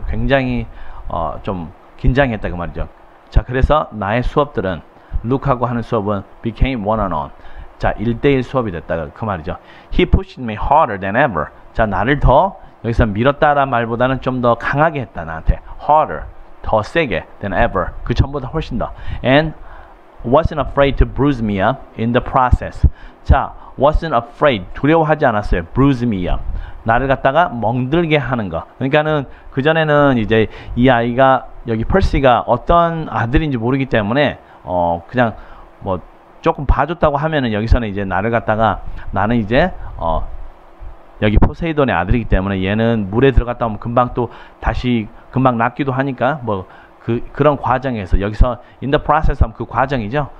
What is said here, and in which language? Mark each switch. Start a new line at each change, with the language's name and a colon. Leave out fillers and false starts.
Korean: 굉장히 좀 긴장했다 그 말이죠. 자, 그래서 나의 수업들은 룩하고 하는 수업은
English: became one-on-one.
Korean: 자, 1대1 수업이 됐다 그 말이죠.
English: He pushed me harder than ever.
Korean: 자, 나를 더 여기서 밀었다라는 말보다는 좀 더 강하게 했다 나한테. Harder, 더 세게
English: than ever.
Korean: 그 전보다 훨씬 더.
English: And wasn't afraid to bruise me up in the process.
Korean: 자,
English: wasn't afraid,
Korean: 두려워하지 않았어요.
English: Bruise me up.
Korean: 나를 갖다가 멍들게 하는 거. 그러니까는 그 전에는 이제 이 아이가 여기 퍼시가 어떤 아들인지 모르기 때문에 그냥 뭐 조금 봐줬다고 하면은 여기서는 이제 나를 갖다가 나는 이제 여기 포세이돈의 아들이기 때문에 얘는 물에 들어갔다 오면 금방 또 다시 금방 낫기도 하니까 뭐 그런 과정에서 여기서
English: in the process
Korean: 하면 그 과정이죠.